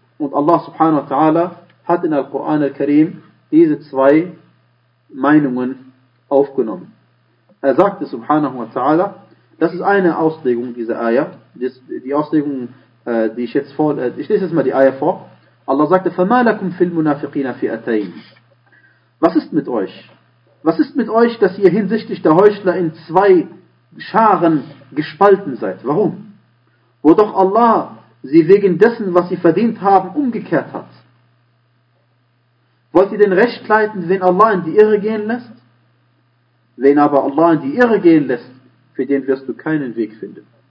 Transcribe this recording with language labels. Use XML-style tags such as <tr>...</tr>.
<de>Und Allah subhanahu wa ta'ala hat in Al-Quran al-Karim diese zwei Meinungen aufgenommen. Er sagte subhanahu wa ta'ala, das ist eine Auslegung dieser Ayah. Die Auslegung, die ich jetzt vor, ich lese jetzt mal die Ayah vor. Allah sagte,</de> <ar>فَمَا لَكُمْ فِي الْمُنَافِقِينَ فِيَتَيْنِ.</ar> <de>Was ist mit euch? Was ist mit euch, dass ihr hinsichtlich der Heuchler in zwei Scharen gespalten seid? Warum? Wo doch Allah sie wegen dessen, was sie verdient haben, umgekehrt hat. Wollt ihr denn recht leiten, wen Allah in die Irre gehen lässt? Wen aber Allah in die Irre gehen lässt, für den wirst du keinen Weg finden.</de>